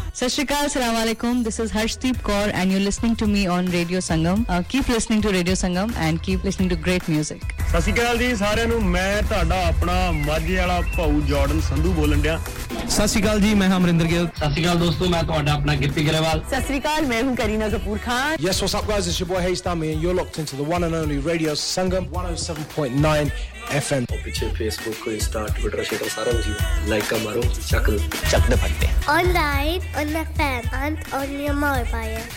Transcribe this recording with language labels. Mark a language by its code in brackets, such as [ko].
[en] ਸਤਿ ਸ਼੍ਰੀ ਅਕਾਲ, ਅਸਲਾਮ ਅਲੈਕੁਮ, this is Harshdeep Kaur and you listening to me on radio Sangam. Keep listening to radio Sangam and keep listening to great music. [pa] ਸਤਿ ਸ਼੍ਰੀ ਅਕਾਲ ਜੀ ਸਾਰਿਆਂ ਨੂੰ, ਮੈਂ ਤੁਹਾਡਾ ਆਪਣਾ ਮਾਝੇ ਵਾਲਾ ਭਾਊ ਜਾਰਡਨ ਸੰਧੂ ਬੋਲਣ ਡਿਆ। ਸਤਿ ਸ਼੍ਰੀ ਅਕਾਲ ਜੀ, ਮੈਂ ਹਾਂ ਅਮਰਿੰਦਰ ਗਿੱਲ। ਸਤਿ ਸ਼੍ਰੀ ਅਕਾਲ ਦੋਸਤੋ, ਮੈਂ ਤੁਹਾਡਾ ਆਪਣਾ ਗਿੱਪੀ ਗਰੇਵਾਲ। [hi] ਸਤਿ ਸ਼੍ਰੀ ਅਕਾਲ, ਮੈਂ ਹੂੰ Kareena Kapoor Khan. [en] Yes, what's up guys, it's your boy Haystami and you're locked into the one and only Radio Sangam 107.9 FM. [pa] ਪਿੱਛੇ ਫੇਸਬੁੱਕ, ਇੰਸਟਾ, ਟਵਿੱਟਰ, ਸ਼ੇਅਰ ਸਾਰਾ ਕੁਝ ਲਾਈਕਾਂ ਮਾਰੋ, ਚੱਕ ਚੱਕ ਦੇ ਫੱਟੇ। [en] Online, on the fan, and on your mobile.